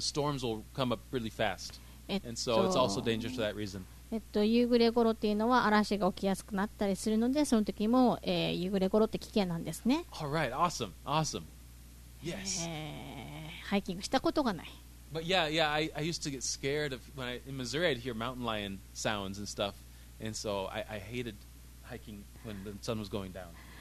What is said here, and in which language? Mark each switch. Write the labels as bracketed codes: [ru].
[en] Storms will come up really fast, and so it's also dangerous for that reason. [ja] 夕暮れ頃っていうのは嵐が起きやすくなったりするのでその時も、夕暮れ頃って危険なんですね。 [en] All right, awesome, awesome. Yes. [ja] ハイキングしたことがない。 [en] But yeah, I used to get scared of when in Missouri I'd hear mountain lion sounds and stuff and so I hated hiking when the sun was going down.